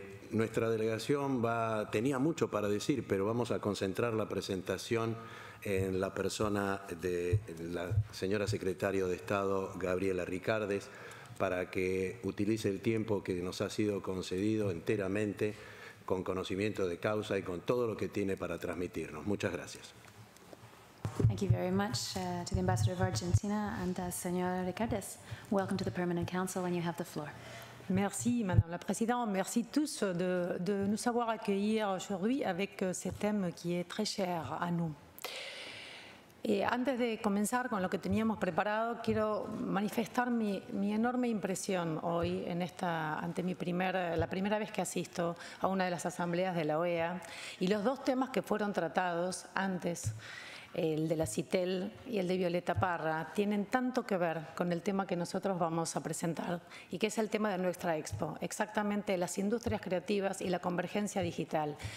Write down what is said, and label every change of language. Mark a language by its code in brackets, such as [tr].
[es] Nuestra delegación tenía mucho para decir, pero vamos a concentrar la presentación en la persona de la señora secretaria de Estado, Gabriela Ricardes, para que utilice el tiempo que nos ha sido concedido enteramente con conocimiento de causa y con todo lo que tiene para transmitirnos. Muchas gracias. [en] Thank you very much to the Ambassador of Argentina and Señora Ricardes. Welcome to the Permanent Council and you have the floor. [fr] Merci, Madame la Présidente. Merci tous de nous avoir accueillis aujourd'hui avec ce thème qui est très cher à nous. [es] Antes de comenzar con lo que teníamos preparado, quiero manifestar mi enorme impresión hoy ante la primera vez que asisto a una de las asambleas de la OEA y los dos temas que fueron tratados antes, el de la CITEL y el de Violeta Parra, tienen tanto que ver con el tema que nosotros vamos a presentar y que es el tema de nuestra expo, exactamente las industrias creativas y la convergencia digital.